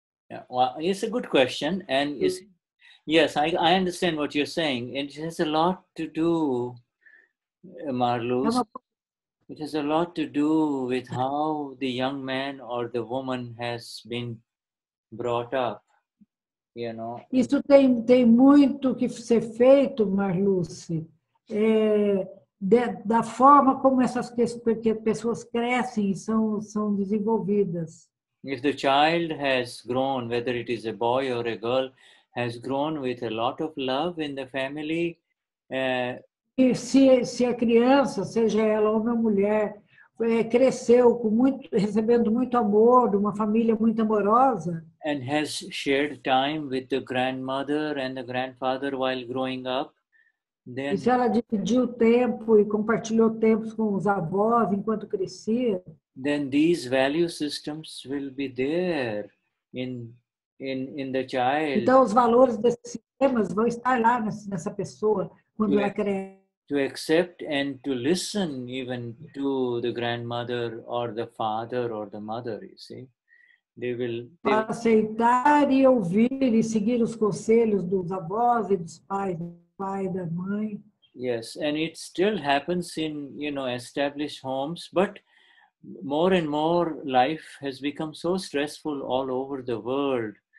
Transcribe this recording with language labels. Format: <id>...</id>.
<en>Yeah, well, it's a good question, and yes, I understand what you're saying. It has a lot to do, Marluz. It has a lot to do with how the young man or the woman has been brought up. You know.</en> <pt>Isso tem muito que ser feito, Marluz, da forma como essas pessoas crescem e são desenvolvidas.</pt> <en>If the child has grown, whether it is a boy or a girl, has grown with a lot of love in the family.</en> <pt>Se a criança, seja ela homem ou mulher, cresceu recebendo muito amor de uma família muito amorosa.</pt> <en>And has shared time with the grandmother and the grandfather while growing up, Then,</en> <pt>e se ela dividiu o tempo e compartilhou tempos com os avós enquanto crescia,</pt> <en>then these value systems will be there in the child.</en> <pt>Então os valores desses sistemas vão estar lá nessa pessoa quando ela cresce.</pt> <en>To accept and to listen even to the grandmother or the father or the mother, you see. They will</en> <pt>aceitar e ouvir e seguir os conselhos dos avós e dos pais, do pai e da mãe.</pt> <en>Yes, and it still happens in, you know, established homes, but more and more life has become so stressful all over the world.</en>